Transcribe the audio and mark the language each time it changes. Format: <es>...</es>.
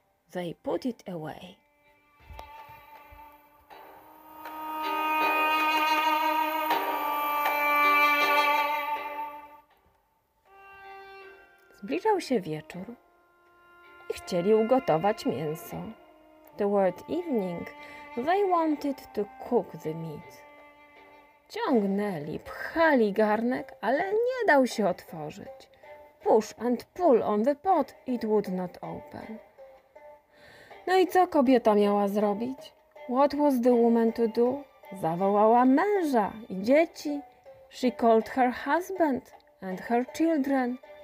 <en>They put it away.</en> <pl>Zbliżał się wieczór i chcieli ugotować mięso.</pl> <en>Toward evening, they wanted to cook the meat.</en> <pl>Ciągnęli, pchali garnek, ale nie dał się otworzyć.</pl> <en>Push and pull on the pot, it would not open.</en> <pl>No i co kobieta miała zrobić?</pl> <en>What was the woman to do?</en> <pl>Zawołała męża i dzieci.</pl> <en>She called her husband and her children.</en>